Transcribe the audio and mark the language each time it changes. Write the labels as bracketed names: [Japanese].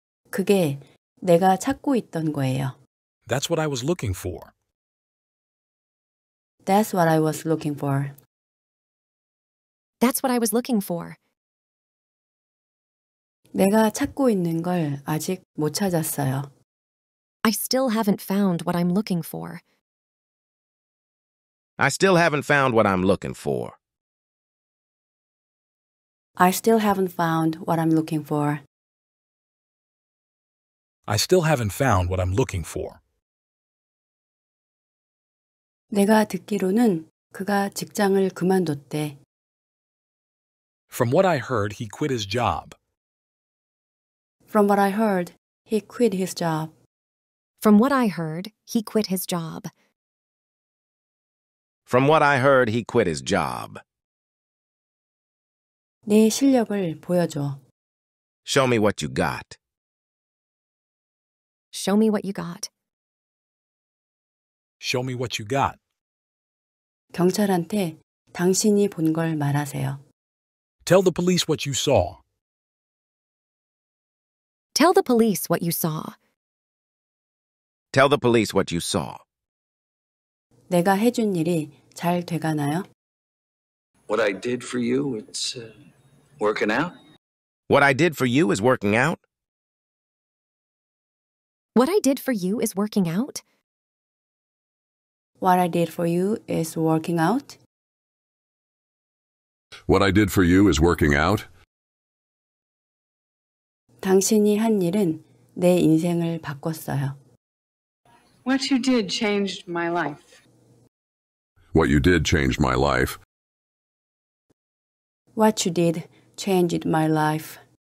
[Korean] 그게 내가 찾고 있던 거예요. [English] That's what I was looking for. That's what I was looking for. That's what I was looking for. [Korean] 내가 찾고 있는 걸 아직 못 찾았어요. [English] I still haven't found what I'm looking for. I still haven't found what I'm looking for. I still haven't found what I'm looking for. I still haven't found what I'm looking for. [Korean] 내가 듣기로는 그가 직장을 그만뒀대. [English] From what I heard, he quit his job. From what I heard, he quit his job. From what I heard, he quit his job. From what I heard, he quit his job. [Korean] 네 실력을 보여줘. [English] Show me what you got. Show me what you got. Show me what you got. [Korean] 경찰한테 당신이 본 걸 말하세요. [English] Tell the police what you saw. Tell the police what you saw. Tell the police what you saw. [Korean] 내가 해준 일이 잘 돼가나요? [English] What I did for you, it's working out. What I did for you is working out. What I did for you is working out. What I did for you is working out. What I did for you is working out. [Korean] 당신이 한 일은 내 인생을 바꿨어요. [English] What you did changed my life. What you did changed my life. What you did changed my life.